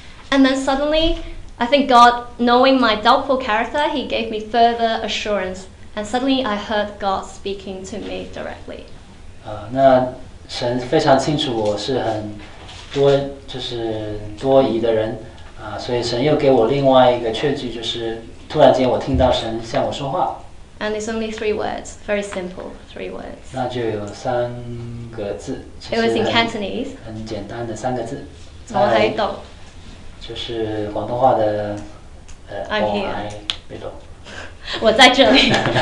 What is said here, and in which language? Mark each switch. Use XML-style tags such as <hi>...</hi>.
<en>And then suddenly, I think God, knowing my doubtful character, He gave me further assurance, and suddenly I heard God speaking to me directly.</en> <zh>那神非常清楚我是很多就是多疑的人。所以神又给我另外一个确据，就是突然间我听到神向我说话。 And it's only three words, very simple, three words. 那就有三个字。 It was in Cantonese. 很简单的三个字。我还懂。就是广东话的</zh> <en>I'm here. 别懂。</en> <zh>我在这里。</zh>